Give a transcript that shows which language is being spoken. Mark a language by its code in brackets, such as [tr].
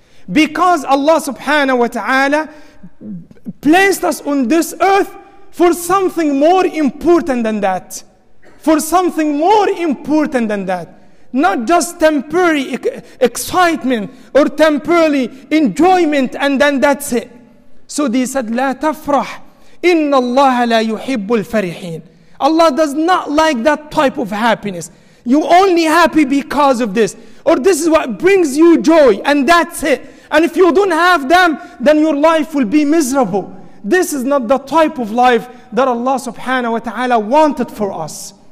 [en] Because Allah subhanahu wa ta'ala placed us on this earth for something more important than that. For something more important than that. Not just temporary excitement or temporary enjoyment, and then that's it. So they said, [ar] لا تفرح إن الله لا يحب الفرحين. [en] Allah does not like that type of happiness. You're only happy because of this, or this is what brings you joy, and that's it. And if you don't have them, then your life will be miserable. This is not the type of life that Allah subhanahu wa ta'ala wanted for us.